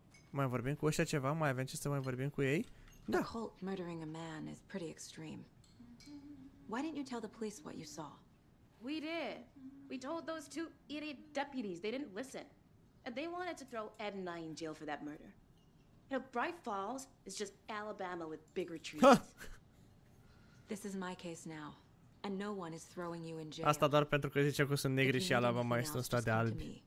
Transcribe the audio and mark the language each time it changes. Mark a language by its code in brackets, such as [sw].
[ro] Mai vorbim cu ăștia ceva? Mai avem ce să mai vorbim cu ei? Da. [en] A cult murdering a man is pretty extreme. Why didn't you tell the police what you saw? We did. We told those two idiot deputies. They didn't listen. And they wanted to throw Ed and I in jail for that murder. You know, Bright Falls is just Alabama with bigger trees. This is my case now. And no one is throwing you in jail. [ro] Asta doar pentru că zice că sunt negri și Alabama este un stat de albi.